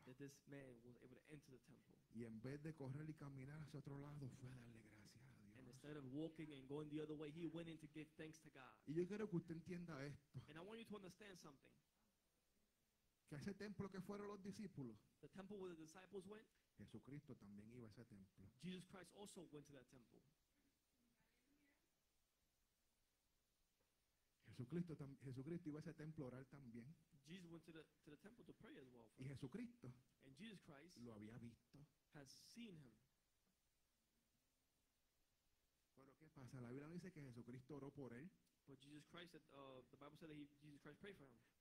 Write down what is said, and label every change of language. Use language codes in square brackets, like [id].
[en] That this man was able to enter the temple. [es] Y en vez de correr y caminar hacia otro lado, fue a darle gracias a Dios. [en] And instead of walking and going the other way, he went in to give thanks to God. [es] Y yo quiero que usted entienda esto. [en] And I want you to understand something. [es] Que ese templo que fueron los discípulos. [en] The temple where the disciples went. [es] Jesucristo también iba a ese templo. [en] Jesus Christ also went to that temple. [es] Jesucristo iba a ese templo a orar también. [en] Jesus went to the temple to pray as well. [es] Y Jesucristo [en] and Jesus Christ [es] lo había visto. [en] Has seen him. [es] Pero qué pasa, la Biblia dice que Jesucristo oró por él. [en] But Jesus Christ, the Bible said that Jesus Christ prayed for him.